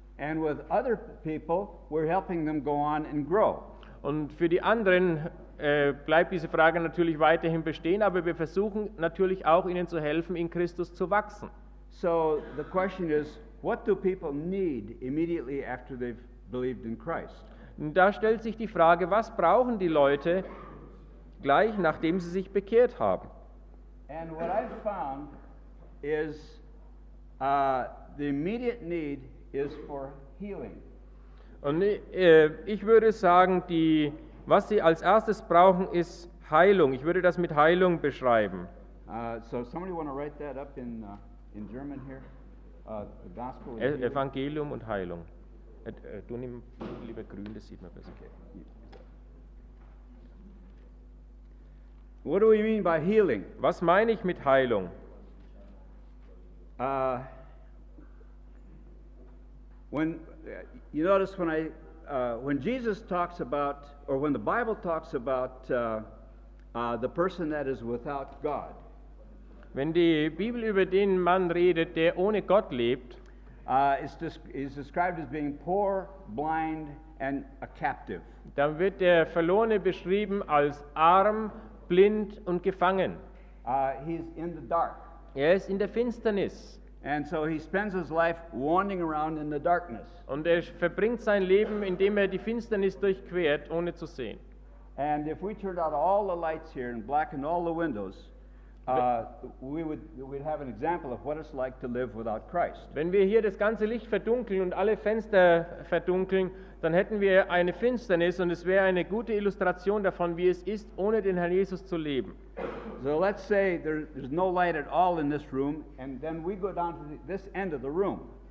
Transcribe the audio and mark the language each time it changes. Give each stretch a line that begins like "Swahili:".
English: And with other people, we're helping them go on and grow.
German: Und für die anderen bleibt diese Frage natürlich weiterhin bestehen, aber wir versuchen natürlich auch, ihnen zu helfen, in Christus zu wachsen.
English: So the question is, what do people need immediately after they've believed in Christ?
German: Und da stellt sich die Frage, was brauchen die Leute gleich, nachdem sie sich bekehrt haben?
English: And what I've found is the immediate need is for healing.
German: Und ich würde sagen, was sie als erstes brauchen, ist Heilung. Ich würde das mit Heilung beschreiben.
English: So somebody want to write that up in German here? The gospel and
German: Evangelium und Heilung. Du nimm lieber grün, das sieht man besser.
English: Okay. What do we mean by healing?
German: Was meine ich mit Heilung?
English: You notice when when Jesus talks about, or when the Bible talks about the person that is without God.
German: Wenn die Bibel über den Mann redet, der ohne Gott lebt,
English: is described as being poor, blind and a captive.
German: Dann wird der Verlorene beschrieben als arm, blind und gefangen.
English: He's in the dark.
German: Er ist in der Finsternis.
English: And so he spends his life wandering around in the darkness.
German: Und er verbringt sein Leben, indem er die Finsternis durchquert, ohne zu sehen.
English: And if we turned out all the lights here and blackened all the windows, we'd have an example of what it's like to live without Christ.
German: Wenn wir hier das ganze Licht verdunkeln und alle Fenster verdunkeln, dann hätten wir eine Finsternis, und es wäre eine gute Illustration davon, wie es ist, ohne den Herrn Jesus zu leben.
English: So let's say there's no light at all in this room, and then we go down to this end of the room.